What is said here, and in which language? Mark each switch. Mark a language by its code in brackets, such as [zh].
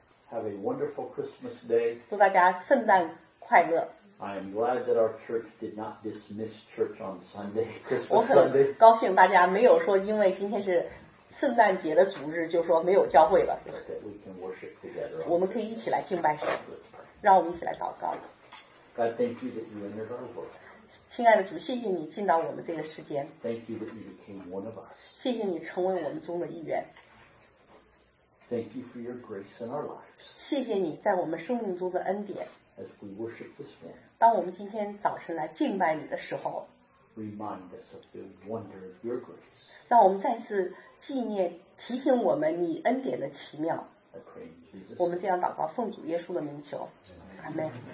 [en] Have a wonderful Christmas day. [zh] 祝大家圣诞快乐。 [en] I am glad that our church did not dismiss church on Sunday, Christmas [zh] 我很高兴大家没有说因为今天是圣诞节的主日就说没有教会了。 [en] That we can worship together. [zh] 我们可以一起来敬拜神。让我们一起来祷告。 [en] God, thank you that you entered our world. [zh] 亲爱的主，谢谢你进到我们这个世间。 [en] Thank you that you became one of us. [zh] 谢谢你成为我们中的一员。 [en] Thank you for your grace in our lives. [zh] 谢谢你在我们生命中的恩典。 [en] As we worship this morning. [zh] 当我们今天早晨来敬拜你的时候。 [en] Remind us of the wonder of your grace. [zh] 让我们再次纪念，提醒我们你恩典的奇妙。我们这样祷告，奉主耶稣的名求，阿门。